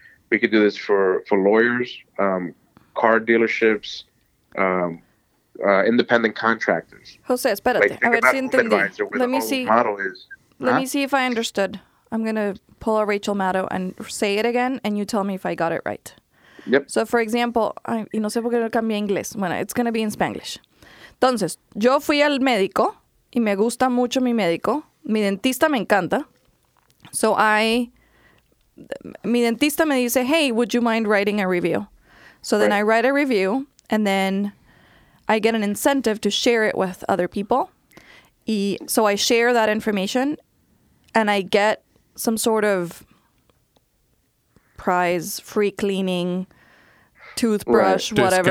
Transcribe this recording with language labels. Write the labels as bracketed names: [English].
[English] We could do this for lawyers, car dealerships, independent contractors. [Spanish] Jose, espérate. [English] Like, [Spanish] a ver si entendí. [English] Let me see. Model is. Let me see if I understood. I'm going to pull a Rachel Maddow and say it again, and you tell me if I got it right. Yep. So, for example, [Spanish] y no sé por qué no cambié inglés. Bueno, [English] it's going to be in Spanglish. [Spanish] Entonces, yo fui al médico, y me gusta mucho mi médico. Mi dentista me encanta. [English] So, [Spanish] mi dentista me dice, [English] hey, would you mind writing a review? So then I write a review, and then I get an incentive to share it with other people. So I share that information, and I get some sort of prize, free cleaning, toothbrush, whatever.